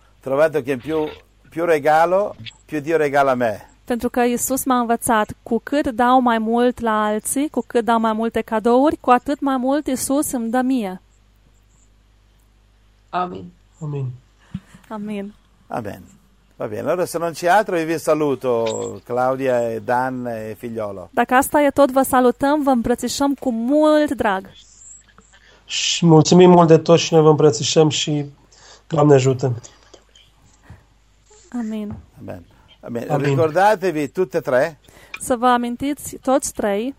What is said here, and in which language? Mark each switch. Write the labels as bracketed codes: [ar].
[it] Trovate che più regalo, più Dio regala me. [ro] Pentru că Iisus m-a învățat, cu cât dau mai mult la alții, cu cât dau mai multe cadouri, cu atât mai mult Iisus îmi dă mie. Amin. Amin. Amin. [it] Amen. Va bene. Allora, se non c'è altro, vi saluto, Claudia e Dan e figliolo. [ro] Dacă asta e tot, vă salutăm, vă îmbrățișăm cu mult drag. Și mulțumim mult de tot și noi vă îmbrățișăm și Doamne ajută. Amin. [it] Amen. Amin. Ricordatevi tutte tre. [ro] Să vă amintiți toți trei.